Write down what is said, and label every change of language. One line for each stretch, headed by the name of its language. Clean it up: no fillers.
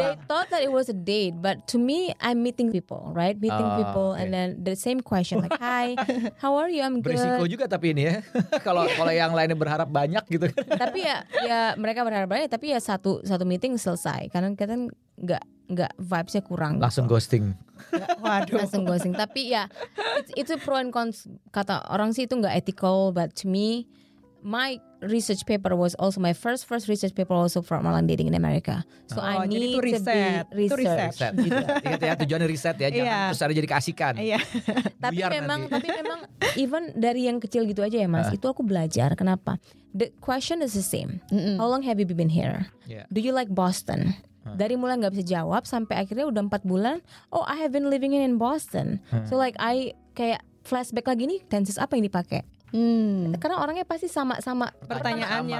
English: They thought that it was a date, but to me I'm meeting people, right? Meeting people and then the same question like hi, how are you? I'm good.
Indonesian: Berisiko juga tapi ini ya. kalau yang lainnya berharap banyak gitu kan. Tapi ya mereka berharap banyak, tapi ya satu meeting selesai karena kita enggak vibes-nya kurang. Langsung ghosting. Waduh. Langsung ghosting. Tapi ya itu pro and cons, kata orang sih itu enggak ethical,
English: but to me my research paper was also my first research paper also from online dating in America. So I need
Indonesian: itu riset.
English: To be research.
Indonesian: Ingat ya, tujuannya riset ya, jangan terus ada jadi keasikan. tapi memang even dari yang kecil gitu aja ya Mas, itu aku belajar. Kenapa?
English: The question is the same. How long have you been here? Do you like Boston?
Indonesian: Dari mulai gak bisa jawab sampai akhirnya udah 4 bulan,
English: oh I have been living in Boston. So like I
Indonesian: kayak flashback lagi nih, tenses apa yang dipakai? Karena orangnya pasti sama pertanyaannya